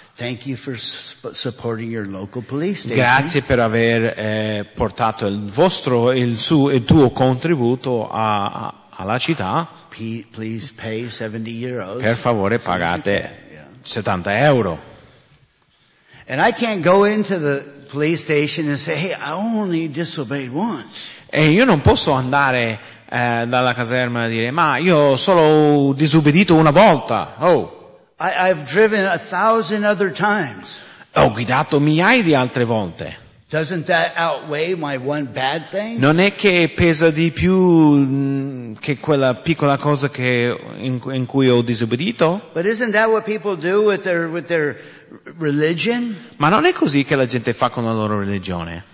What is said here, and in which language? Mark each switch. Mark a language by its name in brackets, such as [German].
[English] Thank you for supporting your local police station. [Italian] Grazie per aver portato il tuo contributo alla città. [English] Please pay 70 euros. [Italian] Per favore pagate 70 euro. [English] And I can't go into the police station and say, hey, I only disobeyed once. [Italian] E io non posso andare dalla caserma a dire, ma io solo ho disobbedito una volta. Oh. [English] I've driven 1,000 other times. [Italian] Ho guidato migliaia di altre volte. [English] Doesn't that outweigh my one bad thing? [Italian] Non è che pesa di più che quella piccola cosa che in cui ho disobbedito? [English] But isn't that what people do with their religion? [Italian] Ma non è così che la gente fa con la loro religione?